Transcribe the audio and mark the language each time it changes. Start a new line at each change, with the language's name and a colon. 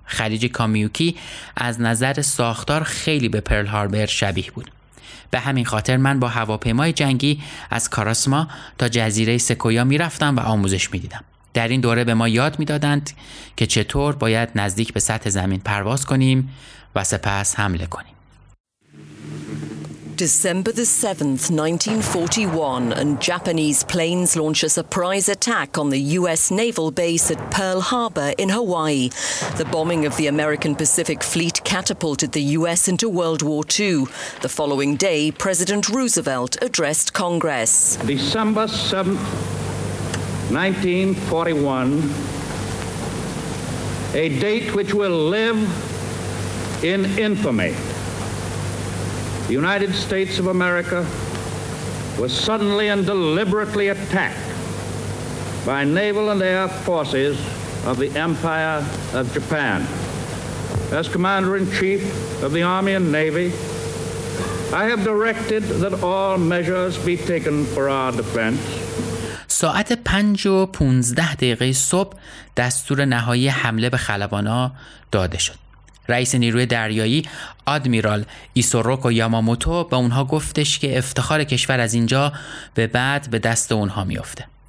Persian: خلیج کامیوکی از نظر ساختار خیلی به پرل هاربر شبیه بود. به همین خاطر من با هواپیمای جنگی از کاراسما تا جزیره سکویا می‌رفتم و آموزش می‌دیدم. در این دوره به ما یاد می‌دادند که چطور باید نزدیک به سطح زمین پرواز کنیم و سپس حمله کنیم.
English: December the 7th, 1941, and Japanese planes launch a surprise attack on the U.S. naval base at Pearl Harbor in Hawaii. The bombing of the American Pacific Fleet catapulted the U.S. into World War II. The following day, President Roosevelt addressed Congress. December 7th, 1941, a date which will live in infamy. The United States of America was suddenly and deliberately attacked by naval and air forces of the Empire of Japan. As Commander-in-Chief of the Army and Navy, I have directed that all measures be taken for our defense.
Persian: ساعت 5:15 صبح دستور نهایی حمله به خلبانها داده شد. رئیس نیروی دریایی آدمیرال ایسوروکو یاماموتو به اونها گفتش که افتخار کشور از اینجا به بعد به دست اونها میفته.